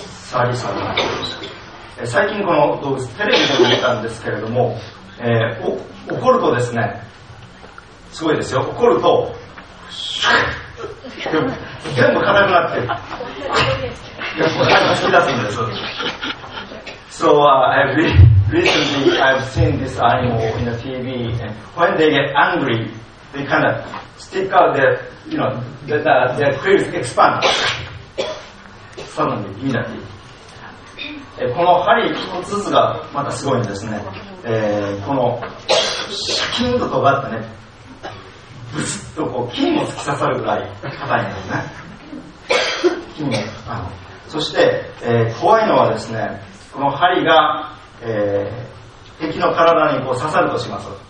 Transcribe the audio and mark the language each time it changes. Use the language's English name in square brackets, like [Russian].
[English] 30,000 quills。 [Japanese] 最近この動物テレビでも見たんですけれども、怒るとですね、すごいですよ。怒ると、全部硬くなって、でも突き出すんです。 [English] So recently I've seen this animal in the TV, and when they get angry, they kind of stick out their, you know, their quills expand suddenly, immediately. [Japanese] この針一つずつがまたすごいんですね。このシャキンと尖ってね、ブスッとこう金も突き刺さるぐらい硬いんですね。金も、そして、怖いのはですね、この針が、敵の体にこう刺さるとします。